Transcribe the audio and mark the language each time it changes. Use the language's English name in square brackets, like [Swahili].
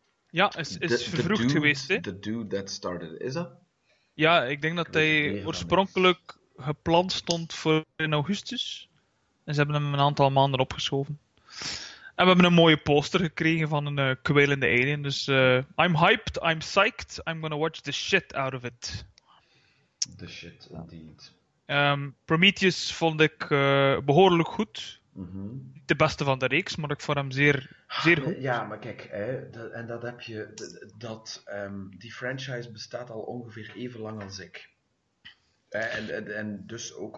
[Dutch] Ja, is vervroegd [English] the dude, [Dutch] geweest, hè. [English] The dude that started, [Dutch] is dat? Ja, ik denk dat ik hij weet oorspronkelijk gepland stond voor in augustus. En ze hebben hem een aantal maanden opgeschoven. En we hebben een mooie poster gekregen van een kwelende alien. [English] Dus I'm hyped, I'm psyched, I'm gonna watch the shit out of it. The shit, indeed. [Dutch] Prometheus vond ik behoorlijk goed. Mm-hmm. De beste van de reeks, maar ik vond hem zeer, zeer goed. Ja, maar kijk, hè, dat heb je. Die franchise bestaat al ongeveer even lang als ik. En dus ook.